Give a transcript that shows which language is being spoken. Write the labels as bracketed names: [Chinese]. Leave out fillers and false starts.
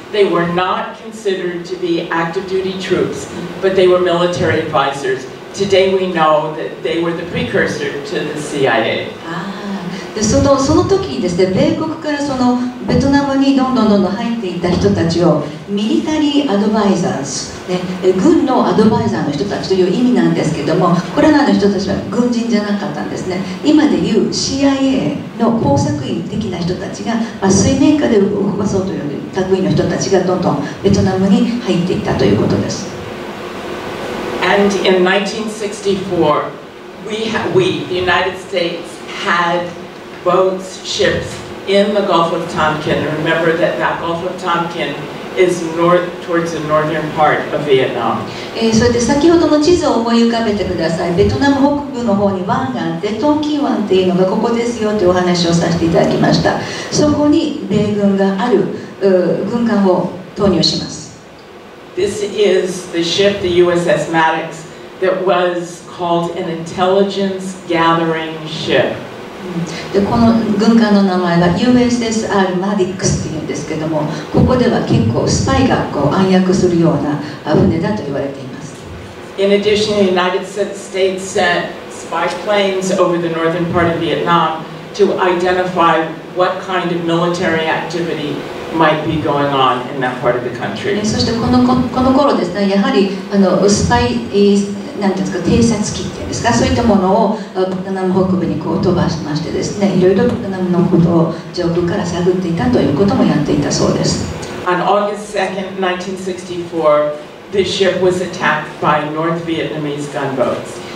[English] They were not considered to be active duty troops, but they were military advisors. Today we know that they were the precursor to the CIA. [Japanese] で、その時にですね、米国からそのベトナムにどんどん入っていた人たちをミリタリーアドバイザーズ、ね、軍のアドバイザーの人たちという意味なんですけども、これらの人たちは軍人じゃなかったんですね。今でいう CIA の工作員的な人たちが、まあ、水面下で動かそうという類いの人たちがどんどんベトナムに入っていったということです。 [English] And in 1964, the United States had boats, ships in the Gulf of Tonkin. Remember that Gulf of Tonkin is north towards the northern part of Vietnam. [Japanese] それで先ほどの地図を思い浮かべてください。ベトナム北部の方に湾があって、トンキン湾っていうのがここですよというお話をさせていただきました。そこに米軍がある軍艦を投入します。 [English] This is the ship, the USS Maddox, that was called an intelligence gathering ship. [Japanese] でこの軍艦の名前は USSR マディックスというんですけども、ここでは結構スパイがこう暗躍するような船だと言われています。 [English] In addition, the United States sent spy planes over the northern part of Vietnam to identify what kind of military activity might be going on in that part of the country. [Japanese] そしてこの頃ですね、やはりスパイ何ていうんですか、偵察機っていうんですか、そういったものをベトナム北部にこう飛ばしましてですね、いろいろベトナムのことを上空から探っていたということもやっていたそうです。 [English] On August 2nd, 1964, this ship was attacked by North Vietnamese gunboats.